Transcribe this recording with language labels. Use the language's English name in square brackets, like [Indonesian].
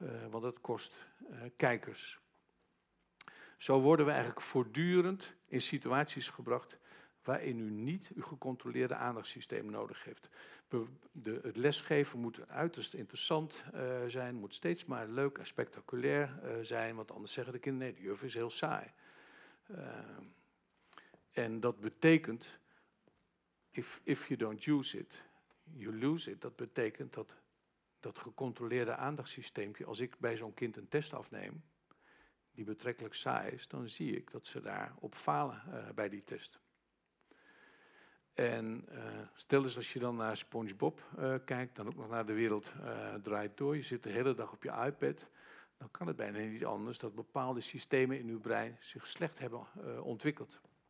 [Dutch] Want dat kost kijkers. Zo worden we eigenlijk voortdurend in situaties gebracht waarin u niet uw gecontroleerde aandachtssysteem nodig heeft. Het lesgeven moet uiterst interessant zijn, moet steeds maar leuk en spectaculair zijn. Want anders zeggen de kinderen, nee, de juf is heel saai. En dat betekent... [English] If you don't use it, you lose it. [Dutch] Dat betekent dat dat gecontroleerde aandachtssysteempje, als ik bij zo'n kind een test afneem, die betrekkelijk saai is, dan zie ik dat ze daar op falen bij die test. En stel eens als je dan naar SpongeBob kijkt, dan ook nog naar de wereld draait door, je zit de hele dag op je iPad, dan kan het bijna niet anders dat bepaalde systemen in uw brein zich slecht hebben ontwikkeld.